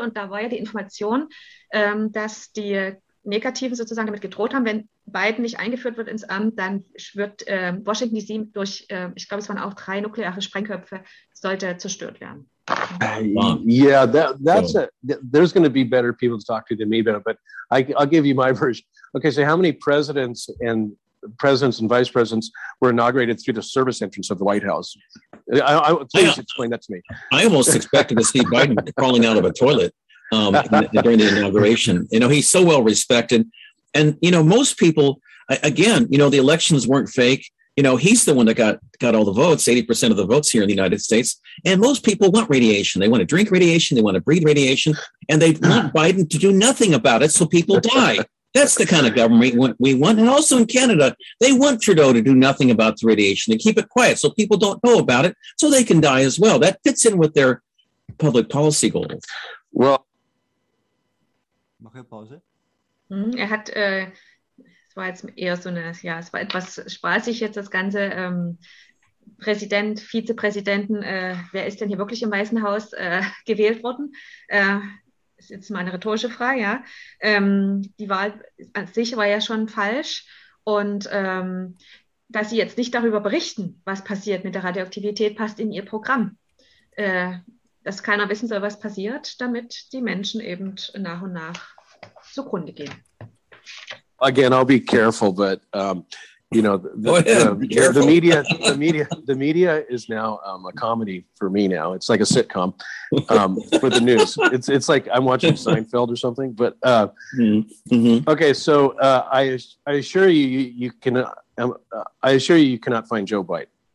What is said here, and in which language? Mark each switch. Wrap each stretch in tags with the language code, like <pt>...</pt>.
<de>Und da war ja die Information, dass die Negativen sozusagen damit gedroht haben, wenn Biden nicht eingeführt wird ins Amt, dann wird Washington D.C. durch, ich glaube, es waren auch drei nukleare Sprengköpfe, sollte zerstört werden.</de> <en>Yeah, that's there's going to be better people to talk to than me, but I'll give you my version. Okay, so how many presidents and vice presidents were inaugurated through the service entrance of the White House? Please explain that to me. I almost expected to see Biden crawling out of a toilet during the inauguration. You know, he's so well respected. And, you know, most people, again, you know, the elections weren't fake. You know, he's the one that got all the votes, 80% of the votes here in the United States. And most people want radiation. They want to drink radiation. They want to breathe radiation. And they want Biden to do nothing about it so people die. That's the kind of government we want. And also in Canada, they want Trudeau to do nothing about the radiation, to keep it quiet so people don't know about it, so they can die as well. That fits in with their public policy goals. Well,</en> <de>mach eine Pause. Er hat, es war jetzt eher so eine, ja, es war etwas spaßig jetzt das Ganze, Präsident, Vizepräsidenten, wer ist denn hier wirklich im Weißen Haus gewählt worden? Das ist jetzt mal eine rhetorische Frage, ja. Die Wahl an sich war ja schon falsch. Und dass Sie jetzt nicht darüber berichten, was passiert mit der Radioaktivität, passt in Ihr Programm. Dass keiner wissen soll, was passiert, damit die Menschen eben nach und nach zugrunde gehen.</de> <en>Again, I'll be careful, but, you know, the media is now a comedy for me now. It's like a sitcom for the news. It's like I'm watching Seinfeld or something. But okay, so I assure you, you cannot find Joe Biden.</en>